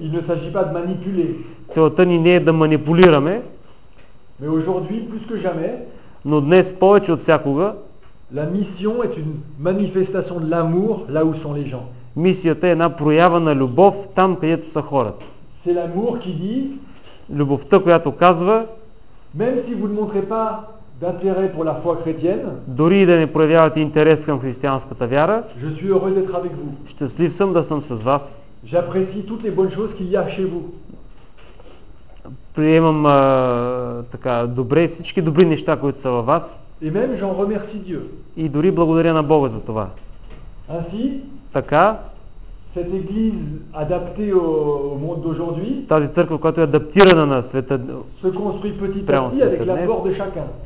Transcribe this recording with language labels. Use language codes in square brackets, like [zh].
[fr] Il ne s'agit pas de manipuler. [bg] Целта ни не е да манипулираме. [fr] Mais aujourd'hui plus que jamais, [bg] но днес повече от всякога, [fr] la mission est une manifestation de l'amour là où sont les gens. [bg] Мисията е една проява на любов там, където са хората. [fr] C'est l'amour qui dit, [bg] любовта, която казва, [fr] même si vous ne montrez pas d'intérêt pour la foi chrétienne, [bg] дори да не проявявате интерес към християнската вяра, [fr] je suis heureux d'être avec vous. [bg] Щастлив съм да съм с вас. [fr] J'apprécie toutes les bonnes choses qu'il y a chez vous. [bg] Приемам така добре всички добри неща, които са във вас. [fr] И même j'en remercie Dieu. [bg] И дори благодаря на Бога за това. [fr] Ainsi, [bg] така, [fr] cette église adaptée au monde d'aujourd'hui. [bg] Тази църква, която е адаптирана на света. [fr] Se construit petit à petit avec l'apport de chacun.